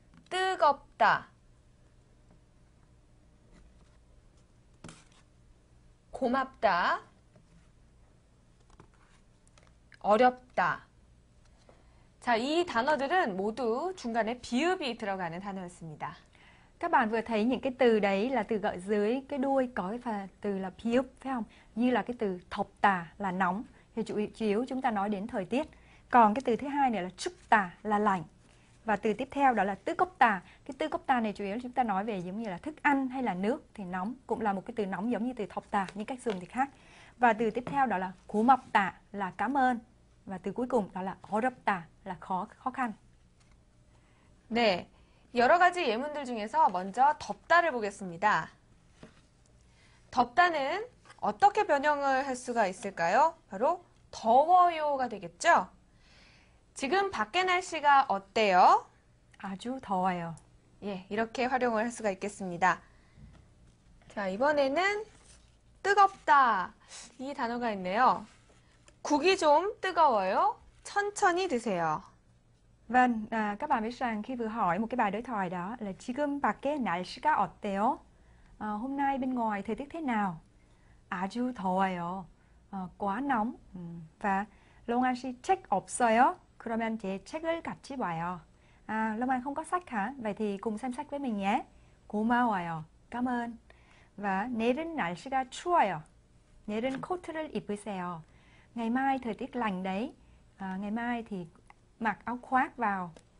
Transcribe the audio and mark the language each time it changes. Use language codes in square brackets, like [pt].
[ko] 뜨겁다. 고맙다. 어렵다. 자, 이 단어들은 모두 중간에 비읍이 들어가는 단어였습니다. [vi] Các bạn vừa thấy những cái từ đấy là từ gợi dưới cái đuôi có cái từ là 비읍, phải không? Như là cái từ 덥다 là nóng. Thì chủ yếu chúng ta nói đến thời tiết. Còn cái từ thứ hai này là 춥다 là lạnh. Và từ tiếp theo đó là 뜨겁다. Cái 뜨겁다 này chủ yếu chúng ta nói về giống như là thức ăn hay là nước thì nóng. Cũng là một cái từ nóng giống như từ 덥다, nhưng cách dùng thì khác. Và từ tiếp theo đó là 고맙다 là cảm ơn. Và từ cuối cùng đó là 어렵다 là khó khăn. [ko] 네, 여러 가지 예문들 중에서 먼저 덥다를 보겠습니다. 덥다는 어떻게 변형을 할 수가 있을까요? 바로 더워요가 되겠죠? 지금 밖에 날씨가 어때요? 아주 더워요. 예, 이렇게 활용을 할 수가 있겠습니다. 자, 이번에는 뜨겁다 이 단어가 있네요. 국이 좀 뜨거워요. 천천히 드세요. [vi] Vâng, các bạn biết rằng khi vừa hỏi một cái bài đối thoại đó là [ko] 지금 밖에 날씨가 어때요? [vi] Hôm nay bên ngoài thời tiết thế nào? [ko] 아주 더워요. [vi] Quá nóng. [ko] Và 로만 씨 책 없어요? 그러면 제 책을 같이 봐요. [vi] 로만 không có sách hả? Vậy thì cùng xem sách với mình nhé. [ko] 고마워요. [vi] Cảm ơn. [ko] Và 내일은 날씨가 추워요. 내일은 코트를 입으세요. [vi] Ngày mai thời tiết lành đấy. Ngày mai thì mặc áo khoác vào.